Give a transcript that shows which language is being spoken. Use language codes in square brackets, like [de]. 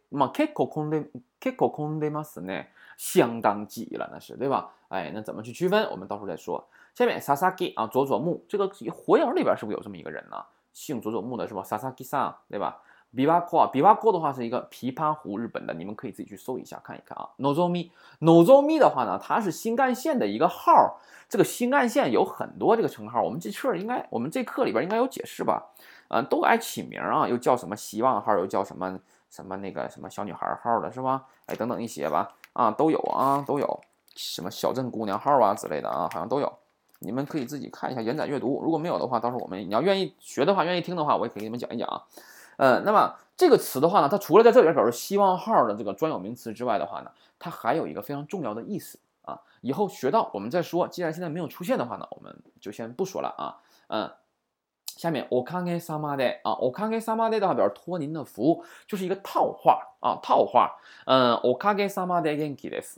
[zh] 結構混んでますね，相当挤了，那是，对吧？哎，那怎么去区分？我们到时候再说。下面 Sasaki 啊，佐佐木，这个火影里边是不是有这么一个人呢？姓佐佐木的是吧？Sasaki さん，对吧？琵琶湖啊，琵琶湖的话是一个琵琶湖，日本的，你们可以自己去搜一下看一看啊。 Nozomi 的话呢，它是新干线的一个号，这个新干线有很多这个称号，我们这课里边应该有解释吧？都爱起名啊，又叫什么希望号，又叫什么什么那个什么小女孩号的是吧？哎，等等一些吧，啊，都有啊，都有什么小镇姑娘号啊之类的啊，好像都有，你们可以自己看一下延展阅读，如果没有的话，到时候你要愿意学的话，愿意听的话，我也可以给你们讲一讲啊。那么这个词的话呢，它除了在这里边表示希望号的这个专有名词之外的话呢，它还有一个非常重要的意思啊，以后学到我们再说。既然现在没有出现的话呢，我们就先不说了啊。下面おかげさまで啊，おかげさまで的话表示托您的福，就是一个套话啊，套话。 [ja] おかげさまで元気です。